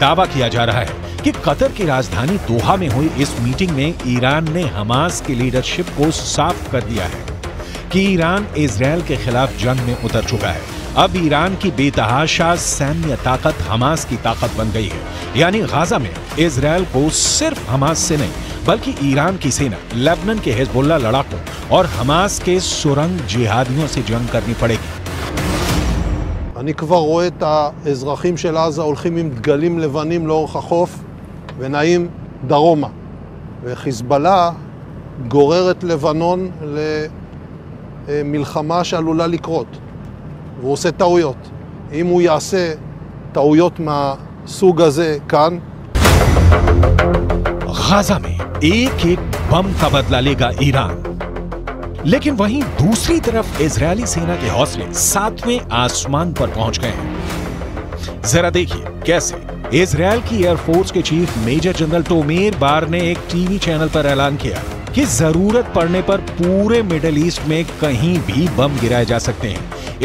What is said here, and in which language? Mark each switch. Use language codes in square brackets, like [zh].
[hi] दावा किया जा रहा है कि कतर की राजधानी दोहा में हुई इस मीटिंग में ईरान ने हमास के लीडरशिप को साफ कर दिया है कि ईरान इजराइल के खिलाफ जंग में उतर चुका है। अब ईरान की बेतहाशा सैन्य ताकत हमास की ताकत बन गई है। यानी गाजा में इजराइल को सिर्फ हमास से नहीं बल्कि ईरान की सेना, लेबनन के हिजबुल्ला लड़ाकों और हमास के सुरंग जिहादियों से जंग करनी पड़ेगी। [he] אני כבר רואה את האזרחים של עזה הולכים עם דגלים לבנים לאורך החוף ונעים דרומה. וחיזבאללה גוררת לבנון למלחמה שעלולה לקרות. והוא עושה טעויות. אם הוא יעשה טעויות מהסוג הזה כאן... גאזה מי, איק איק בם תבדלה לגה איראן. [hi] लेकिन वहीं दूसरी तरफ इजरायली सेना के हौसले सातवें आसमान पर पहुंच गए हैं। जरा देखिए कैसे। इजरायल की एयरफोर्स के चीफ मेजर जनरल टोमेर बार ने एक टीवी चैनल पर ऐलान किया कि जरूरत पड़ने पर पूरे मिडल ईस्ट में कहीं भी बम गिराए जा सकते हैं।